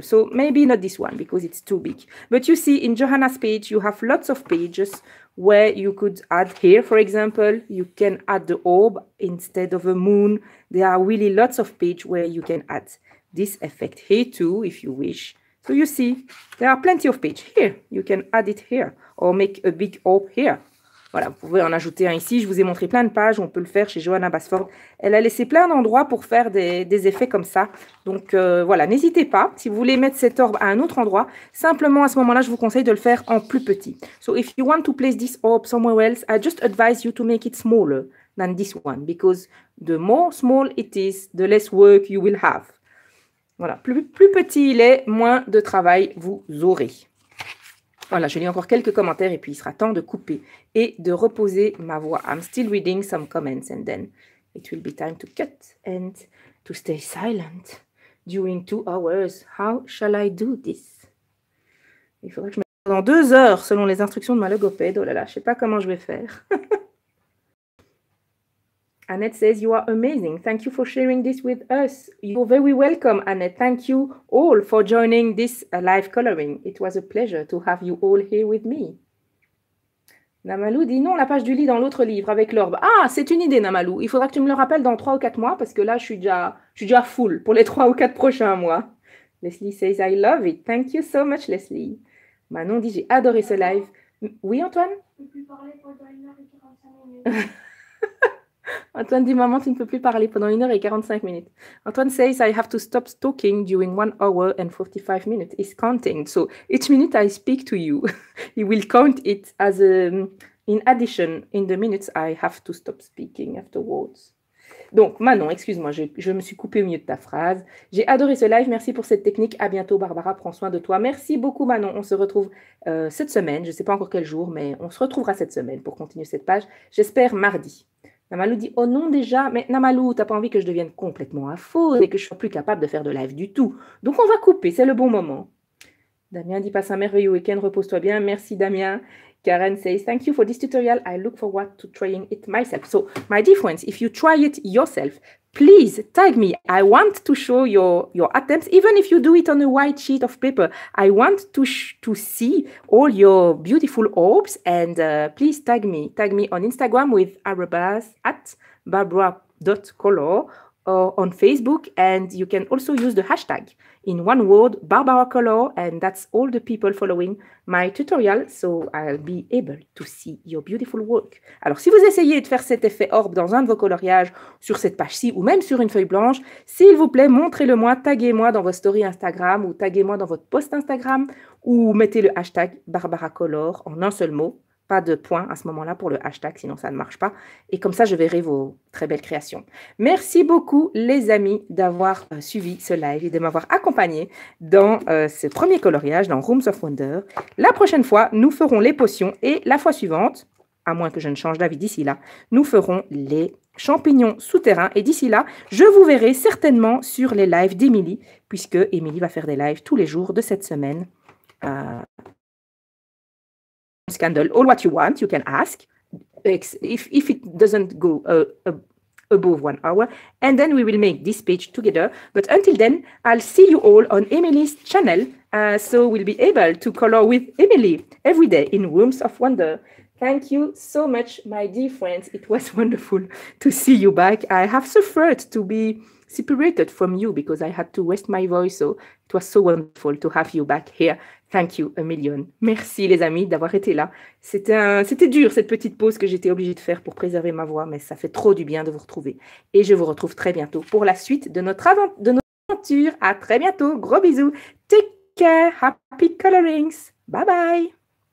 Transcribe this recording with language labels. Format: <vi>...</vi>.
<en>So maybe not this one because it's too big. But you see, in Johanna's page, you have lots of pages where you could add here. For example, you can add the orb instead of a moon. There are really lots of pages where you can add this effect here too, if you wish. So you see, there are plenty of pages here. You can add it here or make a big orb here.</en> <fr>Voilà, vous pouvez en ajouter un ici. Je vous ai montré plein de pages. On peut le faire chez Johanna Basford. Elle a laissé plein d'endroits pour faire des effets comme ça. Donc, voilà, n'hésitez pas. Si vous voulez mettre cet orbe à un autre endroit, simplement, à ce moment-là, je vous conseille de le faire en plus petit.</fr> <en>So, if you want to place this orb somewhere else, I just advise you to make it smaller than this one. Because the more small it is, the less work you will have.</en> <fr>Voilà, plus petit il est, moins de travail vous aurez. Voilà, je lis encore quelques commentaires et puis il sera temps de couper et de reposer ma voix.</fr> <en>I'm still reading some comments and then it will be time to cut and to stay silent during 2 hours. How shall I do this?</en> <fr>Il faudra que je me mette dans 2 heures selon les instructions de ma logopède. Oh là là, je ne sais pas comment je vais faire.</fr> <en>Annette says, you are amazing. Thank you for sharing this with us. You're very welcome, Annette. Thank you all for joining this live coloring. It was a pleasure to have you all here with me.</en> <fr>Namalou dit, non, la page du lit dans l'autre livre avec l'orbe. Ah, c'est une idée, Namalou. Il faudra que tu me le rappelles dans 3 ou 4 mois parce que là, je suis déjà full pour les 3 ou 4 prochains mois.</fr> <en>Leslie says, I love it. Thank you so much, Leslie.</en> <fr>Manon dit, j'ai adoré ce live.</fr> <en>Oui, Antoine?</en> <fr>Je ne peux plus parler pendant 1 heure et 45 minutes. Antoine dit, maman, tu ne peux plus parler pendant 1 heure et 45 minutes.</fr> <en>Antoine says, I have to stop talking during 1 hour and 45 minutes. He's counting. So each minute I speak to you, he will count it as in addition in the minutes I have to stop speaking afterwards.</en> <fr>Donc, Manon, excuse-moi, je me suis coupée au milieu de ta phrase. J'ai adoré ce live. Merci pour cette technique. À bientôt, Barbara. Prends soin de toi. Merci beaucoup, Manon. On se retrouve cette semaine. Je ne sais pas encore quel jour, mais on se retrouvera cette semaine pour continuer cette page. J'espère mardi. Namalou dit, oh non déjà, mais Namalou, t'as pas envie que je devienne complètement à faux et que je sois plus capable de faire de live du tout. Donc on va couper, c'est le bon moment. Damien dit, passe un merveilleux week-end, repose-toi bien. Merci Damien.</fr> <en>Karen says, thank you for this tutorial. I look forward to trying it myself. So, my dear friends, if you try it yourself, Please tag me. I want to show your attempts, even if you do it on a white sheet of paper. I want to see all your beautiful orbs. And please tag me. Tag me on Instagram with @barbara.color or on Facebook. And you can also use the hashtag in one word, barbaracolor. And that's all the people following my tutorial. So I'll be able to see your beautiful work.</en> <fr>Alors, si vous essayez de faire cet effet orbe dans un de vos coloriages, sur cette page-ci ou même sur une feuille blanche, s'il vous plaît, montrez-le-moi, taguez-moi dans vos stories Instagram ou taguez-moi dans votre post Instagram ou mettez le hashtag barbaracolor en un seul mot. Pas de point à ce moment-là pour le hashtag, sinon ça ne marche pas. Et comme ça, je verrai vos très belles créations. Merci beaucoup, les amis, d'avoir suivi ce live et de m'avoir accompagné dans ce premier coloriage, dans Rooms of Wonder. La prochaine fois, nous ferons les potions. Et la fois suivante, à moins que je ne change d'avis d'ici là, nous ferons les champignons souterrains. Et d'ici là, je vous verrai certainement sur les lives d'Emily, puisque Emily va faire des lives tous les jours de cette semaine.</fr> <en>Scandal, all what you want, you can ask if it doesn't go above 1 hour, and then we will make this page together. But until then, I'll see you all on Emily's channel, so we'll be able to color with Emily every day in Rooms of Wonder. Thank you so much, my dear friends. It was wonderful to see you back. I have suffered to be separated from you because I had to rest my voice, so it was so wonderful to have you back here. Thank you a million.</en> <fr>Merci les amis d'avoir été là. C'était dur cette petite pause que j'étais obligée de faire pour préserver ma voix, mais ça fait trop du bien de vous retrouver. Et je vous retrouve très bientôt pour la suite de notre aventure. À très bientôt. Gros bisous.</fr> <en>Take care. Happy colorings. Bye bye.</en>